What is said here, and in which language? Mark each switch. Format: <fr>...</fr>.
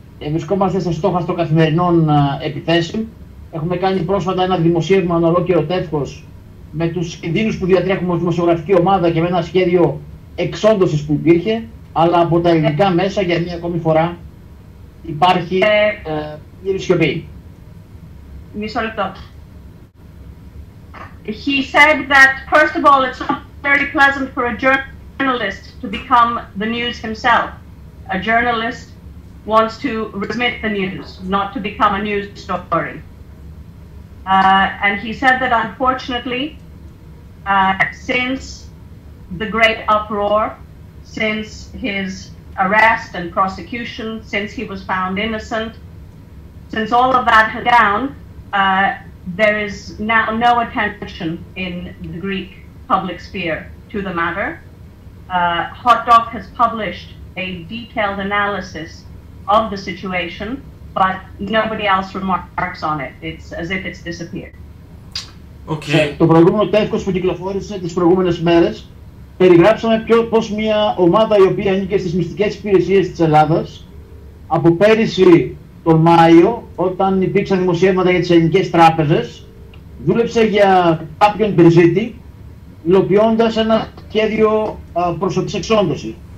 <el>Βρισκόμαστε στα στόχαστρο καθημερινών επιθέσεων. Έχουμε κάνει πρόσφατα ένα δημοσίευμα ένα ολόκληρο τεύχος με τους κινδύνους που διατρέχουμε ως δημοσιογραφική ομάδα και με ένα σχέδιο εξόντωσης που υπήρχε, αλλά από τα ελληνικά μέσα για μια ακόμη φορά υπάρχει πλήρη σιωπή. Μισό λεπτό.</el> <en>He said that, first of all, it's not very pleasant for a journalist to become the news himself. A journalist wants to remit the news, not to become a news story. And he said that, unfortunately, since the great uproar, since his arrest and prosecution, since he was found innocent, since all of that had down, there is now no attention in the Greek public sphere to the matter. HotDoc has published a detailed analysis of the situation, but nobody else remarks on it. It's as if it's disappeared. Okay.</en> <el>Το προηγούμενο τεύχος που κυκλοφόρησε τις προηγούμενες μέρες περιγράψαμε πώς μια ομάδα η οποία ανήκε στις μυστικές υπηρεσίες της Ελλάδας από πέρυσι τον Μάιο, όταν υπήρξαν δημοσιεύματα για τις ελληνικές τράπεζες, δούλεψε για κάποιον πυρζήτη, υλοποιώντας ένα σχέδιο προσωπικής εξόντωσης.</el>